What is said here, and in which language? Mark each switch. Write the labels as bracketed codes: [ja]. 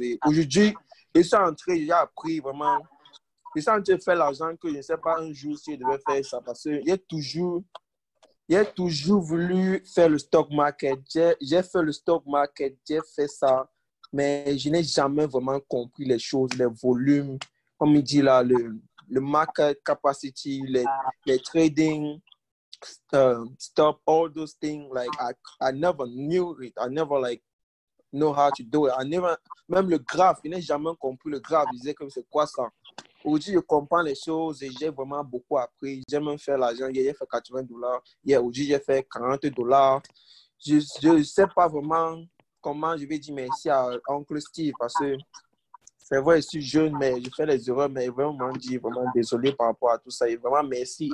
[fr] Et aujourd'hui, je suis entré, j'ai appris vraiment. Je suis entré faire l'argent que je ne sais pas un jour si je devais faire ça parce que j'ai toujours voulu faire le stock market. J'ai fait le stock market, j'ai fait ça, mais je n'ai jamais vraiment compris les choses, les volumes, comme il dit là, le market capacity, les trading. [en] Stop all those things. Like I never knew it. I never like know how to do it. I never [fr] même le graph. Je n'ai jamais compris le graph. Je disais que c'est quoi ça. Aujourd'hui, je comprends les choses et j'ai vraiment beaucoup appris. J'ai même fait l'argent. J'ai fait $80. Hier aujourd'hui, j'ai fait $40. Je sais pas vraiment comment je vais dire merci à Oncle Steve parce que c'est vrai, je suis jeune, mais je fais les erreurs, mais vraiment, je dis vraiment désolé par rapport à tout ça. Et vraiment, merci.